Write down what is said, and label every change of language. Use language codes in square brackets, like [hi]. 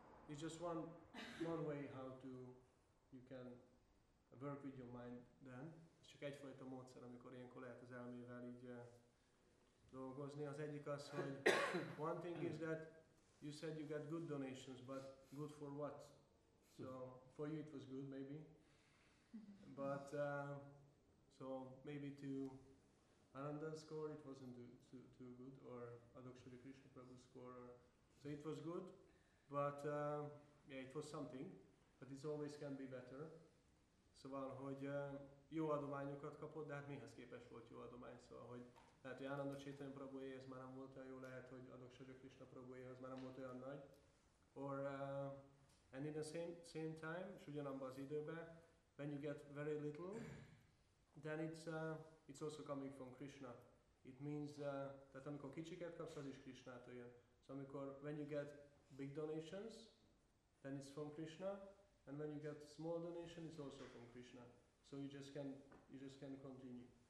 [en] It's just one way how to you can work with your mind then. [hu] Ez csak egyfajta módszer, amikor ilyenkor lehet az elmével így dolgozni. Az egyik az, hogy [en] one thing is that you said you got good donations, but good for what? So for you it was good maybe, but so maybe to Ananda's score it wasn't too good, or Adokshari Krishna Prabhu's score. Or, so it was good, but yeah, it was something, but it always can be better. [hu] Szóval, hogy jó adományokat kapott, de hát mihez képest volt jó adomány, szóval, hogy lehet, hogy Ananda Chaitanya Prabhuéhez már nem volt olyan jó, lehet, hogy Adokshari Krishna Prabhuéhez már nem volt olyan nagy. [en] Or, and in the same time, [hu] és ugyanabban az időben, [en] when you get very little, then it's also coming from Krishna. It means, [hu] tehát amikor kicsiket kapsz, az is Krishnától jön. [en] So [hu] amikor, [en] when you get big donations, then it's from Krishna. And when you get small donation, it's also from Krishna. So you just can continue.